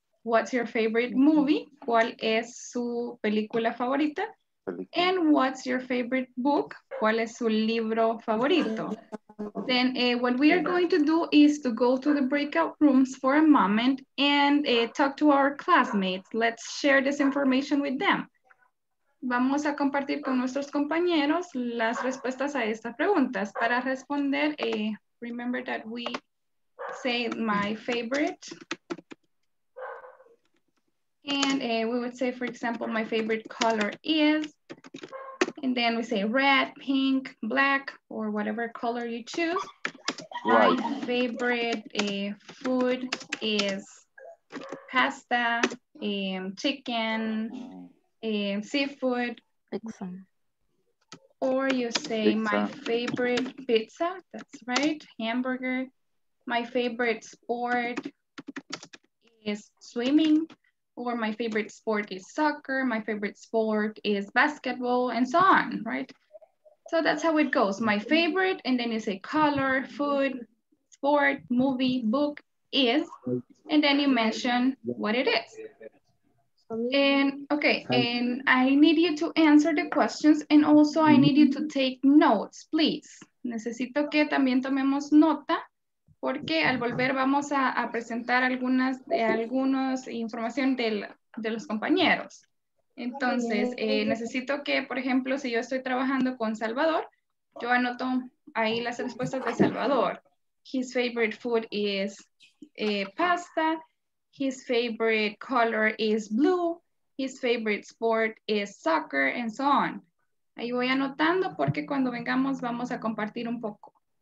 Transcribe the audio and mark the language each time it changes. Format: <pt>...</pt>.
<en>What's your favorite movie?</en> <es>¿Cuál es su película favorita?</es> <en>And what's your favorite book?</en> <es>¿Cuál es su libro favorito?</es> <en>Then what we are going to do is to go to the breakout rooms for a moment and talk to our classmates. Let's share this information with them.</en> <es>Vamos a compartir con nuestros compañeros las respuestas a estas preguntas. Para responder,</es> <en>remember that we say my favorite. And we would say, for example, my favorite color is, and then we say red, pink, black, or whatever color you choose. My favorite food is pasta, chicken, seafood, Or you say pizza. My favorite pizza, that's right, hamburger. My favorite sport is swimming, or my favorite sport is soccer, my favorite sport is basketball, and so on, right? So that's how it goes. My favorite, and then you say color, food, sport, movie, book, is, and then you mention what it is. And okay, and I need you to answer the questions, and also I need you to take notes, please.</en> <es>Necesito que también tomemos nota, porque al volver vamos a presentar algunas de algunos información de los compañeros. Entonces, necesito que, por ejemplo, si yo estoy trabajando con Salvador, yo anoto ahí las respuestas de Salvador.</es> <en>His favorite food is pasta. His favorite color is blue. His favorite sport is soccer, and so on.</en> <es>Ahí voy anotando porque cuando vengamos vamos a compartir un poco.</es>